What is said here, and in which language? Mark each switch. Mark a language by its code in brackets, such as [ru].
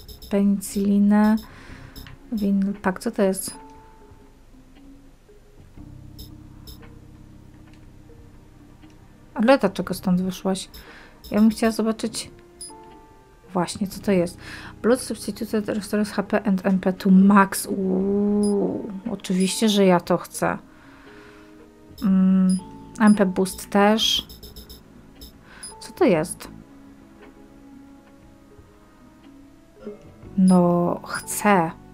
[pl] Penicylinę. Winyl pack. Co to jest? Ale dlaczego stąd wyszłaś? Ja bym chciała zobaczyć... Właśnie, co to jest? [en] Blood substituted restores HP and MP to max. [pl] Oczywiście, że ja to chcę. MP boost też. Co to jest? No, chcę.